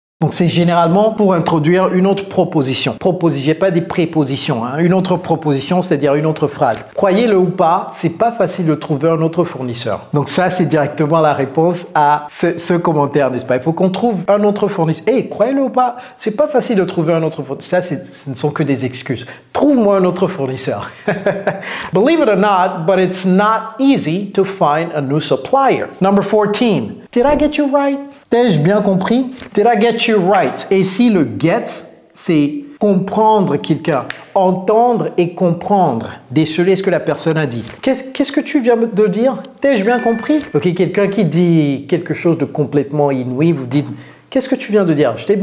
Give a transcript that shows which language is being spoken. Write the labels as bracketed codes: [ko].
[fr] Donc, c'est généralement pour introduire une autre proposition. Proposition, j'ai pas dit préposition. Hein. Une autre proposition, c'est-à-dire une autre phrase. Croyez-le ou pas, c'est pas facile de trouver un autre fournisseur. Donc, ça, c'est directement la réponse à ce commentaire, n'est-ce pas? Il faut qu'on trouve un autre fournisseur. Hey, croyez-le ou pas, c'est pas facile de trouver un autre fournisseur. Ça, ce ne sont que des excuses. Trouve-moi un autre fournisseur. [en] Believe it or not, but it's not easy to find a new supplier. Number 14. Did I get you right? [fr] T'ai-je bien compris? [en] Did I get you right? [fr] Et si le get, c'est comprendre quelqu'un, entendre et comprendre, déceler ce que la personne a dit. Qu'est-ce que tu viens de dire? T'ai-je bien compris? Ok, quelqu'un qui dit quelque chose de complètement inouï, vous dites, qu'est-ce que tu viens de dire?